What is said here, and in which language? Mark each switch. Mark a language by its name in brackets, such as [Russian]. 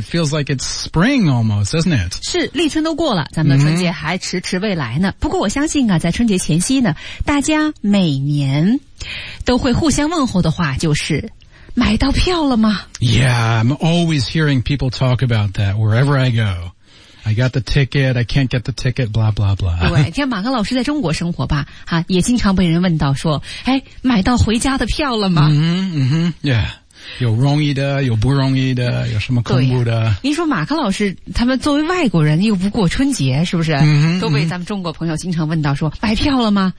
[English] It feels like it's spring almost, doesn't it? [Chinese] 是，立春都过了，咱们的春节还迟迟未来呢。不过我相信啊，在春节前夕呢，大家每年都会互相问候的话就是。买到票了吗 [English] ？Yeah, I'm always hearing people talk about that wherever I go. I got the ticket. I can't get the ticket. Blah blah blah. [Chinese] 对，像马克老师在中国生活吧，哈，也经常被人问到说，哎，买到回家的票了吗？ [English] Yeah. [Chinese] 有容易的有不容易的有什么恐怖的、啊、您说马克老师他们作为外国人又不过春节是不是、都被咱们中国朋友经常问到说买票了吗、